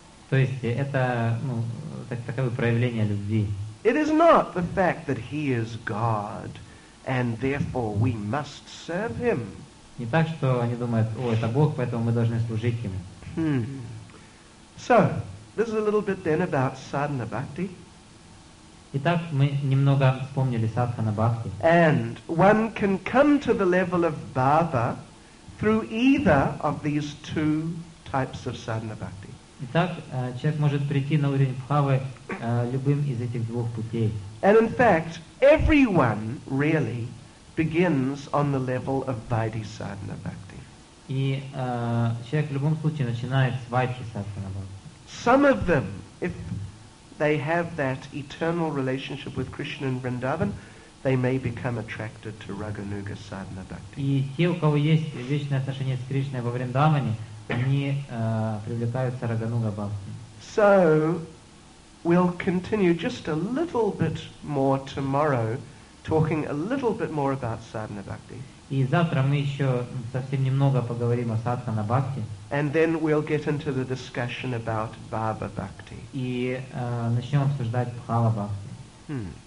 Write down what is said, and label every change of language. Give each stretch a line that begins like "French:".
Russian: То есть это, ну, таковы проявления любви.
English: It is not the fact that he is God, and therefore we must serve him.
Russian: Не так, что они думают, о, это Бог, поэтому мы должны служить ему.
English: So, this is a little bit then about sadhana bhakti.
Russian: Итак, мы немного вспомнили садхана бхакти.
English: And one can come to the level of bhava through either of these two types of sadhana bhakti.
Russian: Итак, человек может прийти на уровень бхавы любым из этих двух путей.
English: And in fact, everyone really begins on the level of vaidhi sadhana bhakti.
Russian: И человек в любом случае начинает с вайдхи садхана бхакти.
English: Some of them, if they have that eternal relationship with Krishna and Vrindavan, they may become attracted to Raganuga Sadhana Bhakti.
Russian: И те, у кого есть вечное отношение с Кришной во Вриндаване, они привлекаются Рагануга Бхакти.
English: So, we'll continue just a little bit more tomorrow, talking a little bit more about Sadhana Bhakti.
Russian: И завтра мы еще совсем немного поговорим о Садхана Бхакти.
English: And then we'll get into the discussion about Bhava Bhakti.
Russian: И начнем обсуждать Бхава Бхакти.